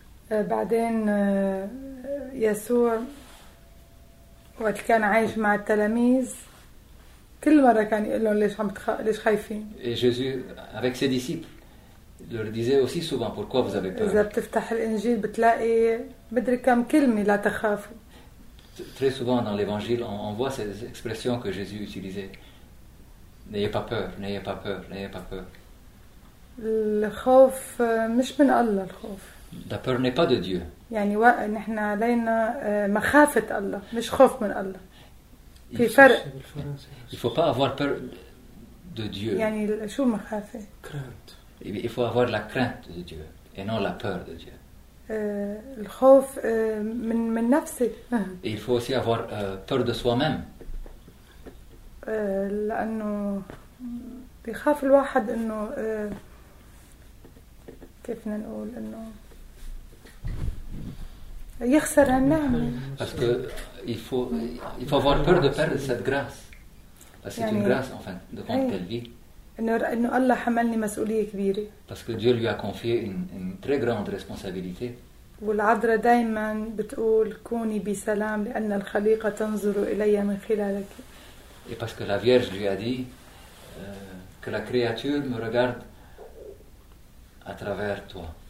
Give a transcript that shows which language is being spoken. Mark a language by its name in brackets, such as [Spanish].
[Arabic] بعدين يسوع وقت كان عايش مع التلاميذ كل مره كان يقول لهم ليش عم ليش خايفين [French] et Jésus avec ses disciples leur disait aussi souvent pourquoi vous avez peur [Arabic] اذا بتفتح الانجيل بتلاقي بدري كم كلمه لا تخافوا [French] très souvent dans l'évangile on voit ces expressions que Jésus utilisait n'ayez pas peur n'ayez pas peur n'ayez pas peur [Arabic] le khawf مش من الله الخوف [French] la peur n'est pas de Dieu [Arabic] يعني نحن علينا مخافه الله مش خوف من الله في فرق [French] il faut pas avoir peur de Dieu [Arabic] يعني شو مخافه [French] crainte il faut avoir la crainte de Dieu et non la peur de Dieu [Arabic] الخوف من نفسي [French] et il faut aussi avoir peur de soi-même [Arabic] لانه بيخاف الواحد انه كيف نقول انه يخسر النعمه [French] parce que il faut avoir peur de perdre cette grâce parce que c'est une grâce enfin de compte qu'elle vit [Arabic] انه الله حملني مسؤوليه كبيره [French] parce que Dieu lui a confié une très grande responsabilité [Arabic] والعذراء دائما بتقول كوني بسلام لان الخليقه تنظر الي من خلالك [French] Et parce que la Vierge lui a dit que la créature me regarde à travers toi.